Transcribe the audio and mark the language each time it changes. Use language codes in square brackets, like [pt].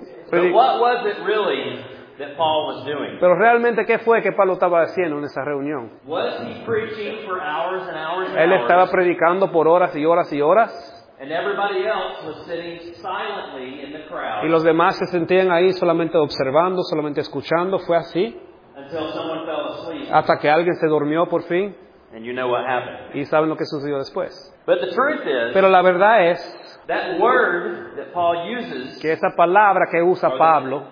[en] But what was it really that Paul was doing? [es] Pero realmente, ¿qué fue que Pablo estaba haciendo en esa reunión? [en] Was he preaching for hours and hours and [es] él [en] hours? [es] Estaba predicando por horas y horas y horas. [en] And everybody else was sitting silently in the crowd. [es] Y los demás se sentían ahí solamente observando, solamente escuchando. ¿Fue así? [en] Until someone fell asleep. [es] Hasta que alguien se durmió por fin. [en] And you know what happened. [es] Y saben lo que sucedió después. [en] But the truth is, [es] pero la verdad es [en] that word that Paul uses, [es] que esa palabra que usa Pablo,